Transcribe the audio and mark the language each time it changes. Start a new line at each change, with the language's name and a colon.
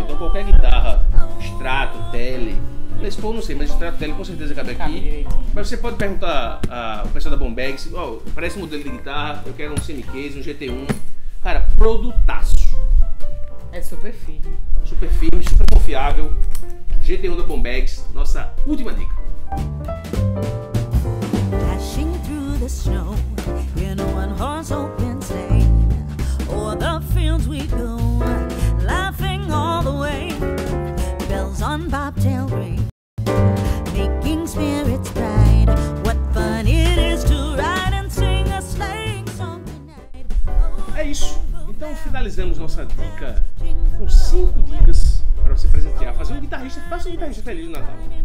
Portuguese: Então qualquer guitarra, Strato, Tele. Les Paul, não sei, mas Strato Tele com certeza cabe aqui. Cabe. Mas você pode perguntar ao pessoal da Bombeggs, ó, oh, para esse modelo de guitarra, eu quero um semi-case, um GT1. Cara, produtaço. É super firme. Super firme, super confiável. GT1 da Bombeggs, nossa última dica.
English: Dashing through the snow in a one horse open sleigh, o'er the fields we go, laughing all the way. Bells on bobtail ring, making spirits bright. What fun it is to ride and sing a sleigh song tonight.
Portuguese: É isso. Então finalizamos nossa dica com 5 dicas para você presentear. Faça um guitarrista feliz no Natal.